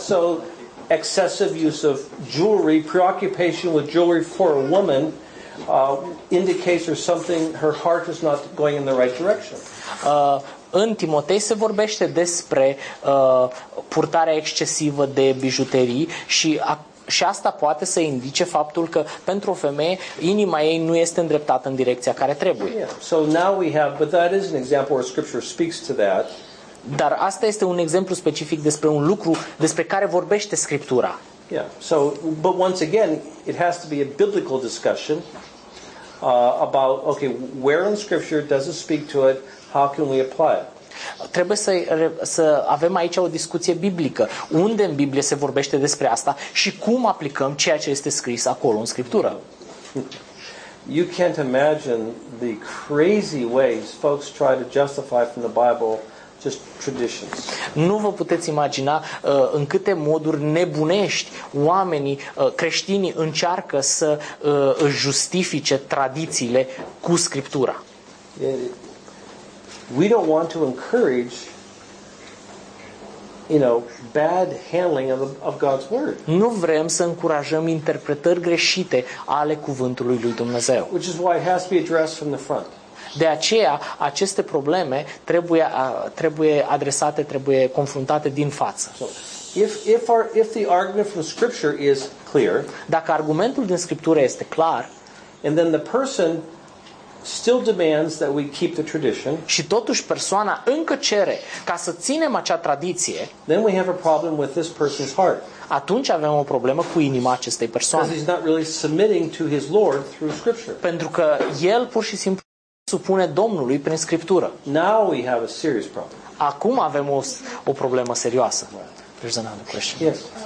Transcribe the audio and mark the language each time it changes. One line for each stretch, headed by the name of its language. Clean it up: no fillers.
English: So, excessive use of jewelry, preoccupation with jewelry for a woman, indicates there's something, her heart is not going in the right direction.
Romanian: În Timotei se vorbește despre purtarea excesivă de bijuterii și și asta poate să indice faptul că pentru o femeie inima ei nu este îndreptată în direcția care trebuie.
English: So now we have, but that is an example where scripture speaks to that.
Romanian: Dar asta este un exemplu specific despre un lucru despre care vorbește Scriptura.
English: Yeah. So, but once again, it has to be a biblical discussion about okay, where in scripture does it speak to it? How can we apply it?
Romanian: Trebuie să avem aici o discuție biblică. Unde în Biblie se vorbește despre asta și cum aplicăm ceea ce este scris acolo în Scriptură?
English: You can't imagine the crazy ways folks try to justify from the Bible just traditions.
Romanian: Nu vă puteți imagina în câte moduri nebunești oamenii creștini încearcă să justifice tradițiile cu Scriptura.
English: We don't want to encourage, you know, bad handling of God's word.
Romanian: Nu vrem să încurajăm interpretări greșite ale cuvântului lui Dumnezeu.
English: Which is why it has to be addressed from the front.
Romanian: De aceea aceste probleme trebuie adresate, trebuie confruntate din față.
English: So, if the argument from scripture is clear,
Romanian: dacă argumentul din scriptură este clar,
English: and then the person still demands that we keep the tradition.
Romanian: Și totuși persoana încă cere ca să ținem acea tradiție.
English: Then we have a problem with this person's heart.
Romanian: Atunci avem o problemă cu inima acestei persoane.
English: Because he's not really submitting to his Lord through scripture.
Romanian: Pentru că el pur și simplu supune Domnului prin scriptură.
English: Now we have a serious problem.
Romanian: Acum avem o problemă serioasă.
English: There's another question. Yes.